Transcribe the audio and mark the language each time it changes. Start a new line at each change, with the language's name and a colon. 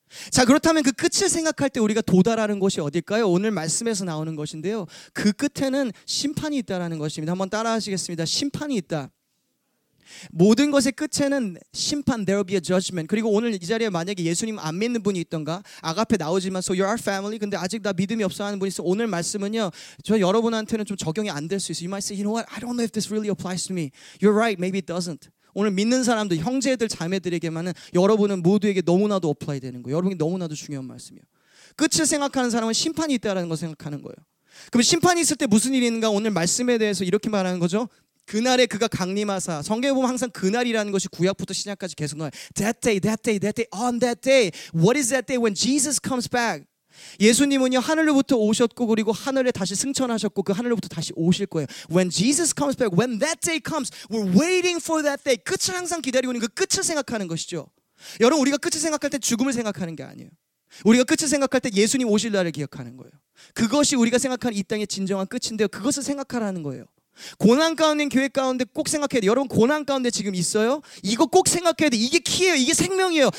Korean: 자, 그렇다면 그 끝을 생각할 때 우리가 도달하는 곳이 어딜까요? 오늘 말씀에서 나오는 것인데요, 그 끝에는 심판이 있다라는 것입니다. 한번 따라하시겠습니다. 심판이 있다. 모든 것의 끝에는 심판,
English: there will be a judgment.
Korean: 그리고 오늘 이 자리에 만약에 예수님 안 믿는 분이 있던가, 아가페 나오지만
English: so you are family,
Korean: 근데 아직 나 믿음이 없어 하는 분이 있어, 오늘 말씀은요 저 여러분한테는 좀 적용이 안 될 수 있어요.
English: You might say, you know what, I don't know if this really applies to me. You're right, maybe it doesn't.
Korean: 오늘 믿는 사람들, 형제들, 자매들에게만은 여러분은 모두에게 너무나도 어플라이 되는 거예요. 여러분이 너무나도 중요한 말씀이에요. 끝을 생각하는 사람은 심판이 있다라는 걸 생각하는 거예요. 그럼 심판이 있을 때 무슨 일이 있는가? 오늘 말씀에 대해서 이렇게 말하는 거죠. 그날에 그가 강림하사, 성경에 보면 항상 그날이라는 것이 구약부터 신약까지 계속 나와요.
English: That day, that day, that day, on that day. What is that day when Jesus comes back?
Korean: 예수님은요 하늘로부터 오셨고 그리고 하늘에 다시 승천하셨고 그 하늘로부터 다시 오실 거예요.
English: When Jesus comes back, when that day comes, we're waiting for that day.
Korean: 끝을 항상 기다리고 있는 그 끝을 생각하는 것이죠. 여러분 우리가 끝을 생각할 때 죽음을 생각하는 게 아니에요. 우리가 끝을 생각할 때 예수님 오실 날을 기억하는 거예요. 그것이 우리가 생각하는 이 땅의 진정한 끝인데요, 그것을 생각하라는 거예요. 고난 가운데, 교회 가운데 꼭 생각해야 돼. 여러분 고난 가운데 지금 있어요? 이거 꼭 생각해야 돼. 이게 키예요. 이게 생명이에요.